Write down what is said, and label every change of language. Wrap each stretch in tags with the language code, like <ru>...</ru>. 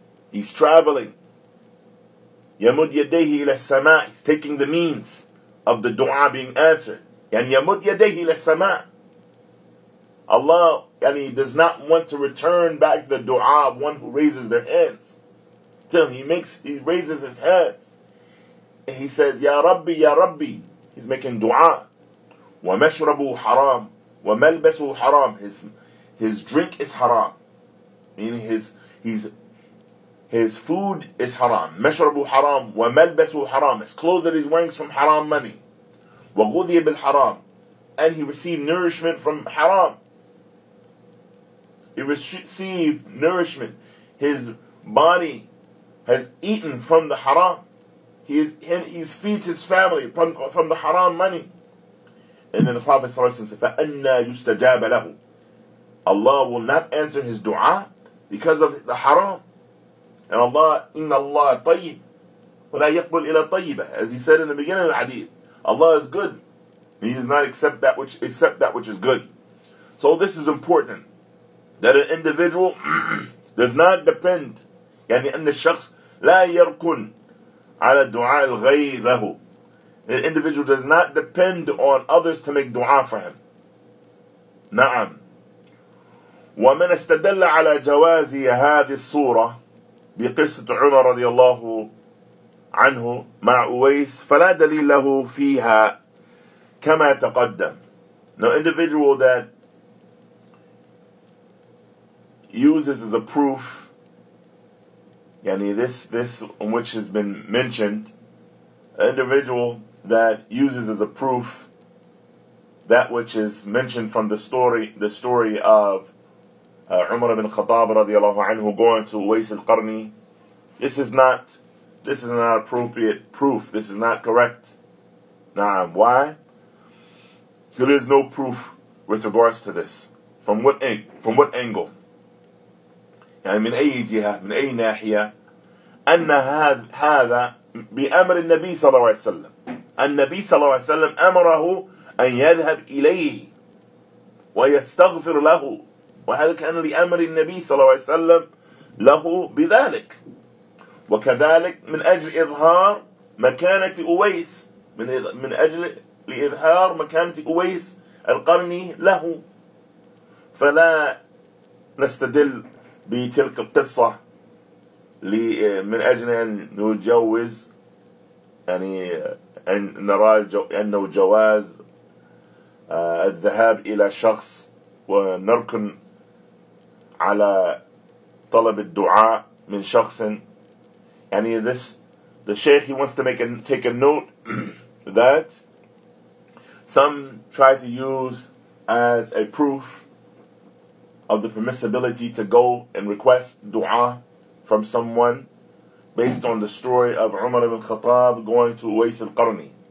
<en>He's traveling.</en> <ar>يَمُدْ يَدَيْهِ إِلَى السَّمَاءِ.</ar> <en>He's taking the means of the dua being answered.</en> <ar>يَنِ يَمُدْ يَدَيْهِ إِلَى السَّمَاءِ.</ar> <en>Allah, يعني, does not want to return back the dua of one who raises their hands. Till he raises his hands. And he says,</en> <ar>يَا رَبِّي, يَا رَبِّي.</ar> <en>He's making dua.</en> <ar>وَمَشْرَبُ حَرَامٌ وَمَلْبَسُ حَرَامٌ.</ar> <en>His drink is haram. Meaning his food is haram.</en> <ar>مَشْرَبُ حَرَامُ وَمَلْبَسُ حَرَامُ.</ar> <en>His clothes that he's wearing is from haram money.</en> <ar>وَغُذِيَ بِالْحَرَامُ.</ar> <en>And he received nourishment from haram. He received nourishment. His body has eaten from the haram. He feeds his family from the haram money. And then the Prophet ﷺ says,</en> <ar>فَأَنَّا يُسْتَجَابَ لَهُ.</ar> <en>Allah will not answer his dua because of the haram. And Allah,</en> <ar>إِنَّ اللَّهَ طَيِّبٌ وَلَا يَقْبُلْ إِلَى طَيِّبَةٍ.</ar> <en>As he said in the beginning of the hadith, Allah is good. He does not accept that which is good. So this is important. That an individual does not depend.</en> <ar>يعني أن الشخص لا يركن على دعاء الغير له.</ar> <en>An individual does not depend on others to make dua for him.</en> <ar>نعم. ومن استدل على جواز هذه الصورة بقصة عمر رضي الله عنه مع أويس فلا دليل له فيها كما تقدم.</ar> <en>No individual that uses as a proof, yani this which has been mentioned, an individual that uses as a proof that which is mentioned from the story of Umar ibn Khattab radiallahu anhu going to Uwais al-Qarni, this is not appropriate proof. This is not correct. Na'am. Why? There is no proof with regards to this. From what angle?</en> <ar>يعني من أي جهة من أي ناحية أن هذا بأمر النبي صلى الله عليه وسلم. النبي صلى الله عليه وسلم أمره أن يذهب إليه ويستغفر له, وهذا كان لأمر النبي صلى الله عليه وسلم له بذلك. وكذلك من أجل إظهار مكانة أويس, من أجل لإظهار مكانة أويس القرني له. فلا نستدل بتلك القصة من أجل أن نجوز, يعني أن نرى أنه جواز الذهاب إلى شخص ونركن على طلب الدعاء من شخص.</ar> <en>يعني the Sheikh, he wants to take a note that some try to use as a proof of the permissibility to go and request dua from someone based on the story of Umar ibn Khattab going to Uwais al-Qarni.</en>